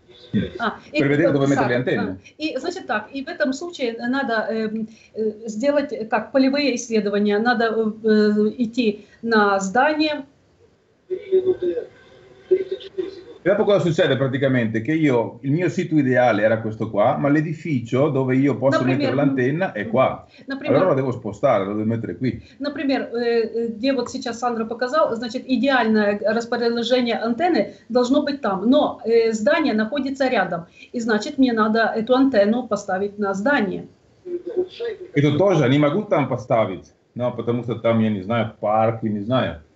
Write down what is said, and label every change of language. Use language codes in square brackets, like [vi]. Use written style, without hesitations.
[it] Per vedere dove mettere le antenne. [ru] И значит так, и в этом случае надо сделать как полевые исследования, надо идти на здание. [it] E dopo cosa succede praticamente? Che io, il mio sito ideale era questo qua, ma l'edificio dove io posso mettere l'antenna è qua. Allora lo devo spostare, lo devo mettere qui. [ru] Например, где вот сейчас Сандра показал, значит, идеальное расположение антенны должно быть там, но здание находится рядом, и значит, мне надо эту антенну поставить на здание. И тут тоже, не могу там поставить, но потому что там, я не знаю, парк, я не знаю.